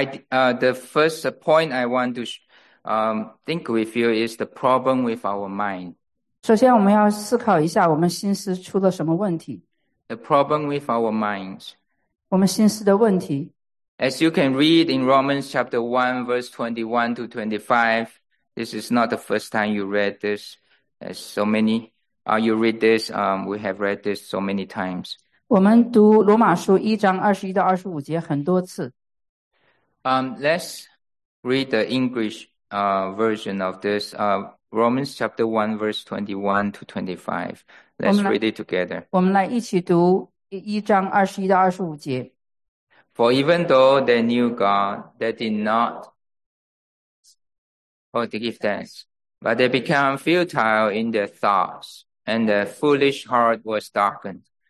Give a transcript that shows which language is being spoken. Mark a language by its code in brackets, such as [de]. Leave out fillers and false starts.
[en] The first point I want to think with you is the problem with our mind. [zh] 首先我们要思考一下我们心思出了什么问题。 [en] The problem with our minds. [zh] 我们心思的问题。 [en] As you can read in Romans chapter 1, verse 21 to 25, this is not the first time you read this. As so many, you read this, we have read this so many times. [zh] 我们读罗马书1章21到25节 很多次。 [en] Let's read the English version of this. Romans chapter 1, verse 21 to 25. Let's read it together. [zh] 我们来一起读1章21到25节。 [en] For even though they knew God, they did not give thanks, but they became futile in their thoughts, and their foolish heart was darkened.